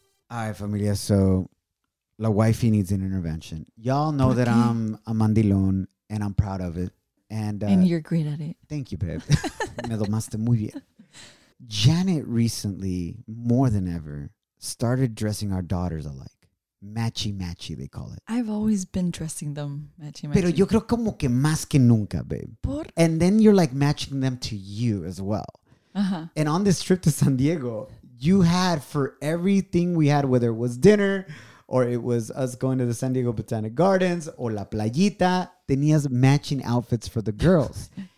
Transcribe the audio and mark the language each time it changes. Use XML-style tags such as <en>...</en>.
<en>All right, familia. So la wifey needs an intervention. Y'all know that I'm a mandilón and I'm proud of it. And you're great at it. Thank you, babe.</en> <es>Me domaste muy bien.</es> <en>Janet recently, more than ever, started dressing our daughters alike. Matchy matchy, they call it. I've always been dressing them matchy matchy.</en> <es>Pero yo creo como que más que nunca, babe. ¿Por?</es> <en>And then you're like matching them to you as well. Uh-huh. And on this trip to San Diego, you had for everything we had, whether it was dinner or it was us going to the San Diego Botanic Gardens or La Playita, tenías matching outfits for the girls.</en>